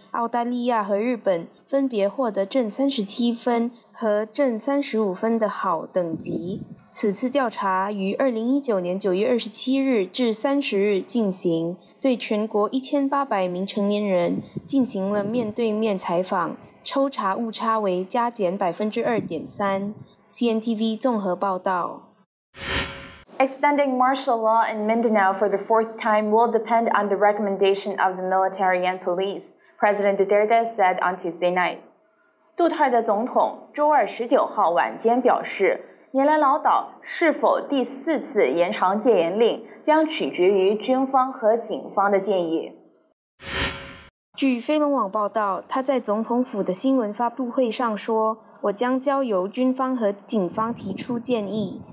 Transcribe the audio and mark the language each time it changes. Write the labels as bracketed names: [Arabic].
[Chinese] 澳大利亚和日本分别获得正37分和正35分的好等级。此次调查于2019年9月27日至30日进行，对全国1800名成年人进行了面对面采访，抽查误差为加减 2.3%。 CNTV 综合报道。 [English] Extending martial law in Mindanao for the fourth time will depend on the recommendation of the military and police, President Duterte said on Tuesday night. [Chinese] 杜特尔特总统周二19号晚间表示，年来老岛是否第四次延长戒严令将取决于军方和警方的建议。据飞龙网报道，他在总统府的新闻发布会上说，我将交由军方和警方提出建议。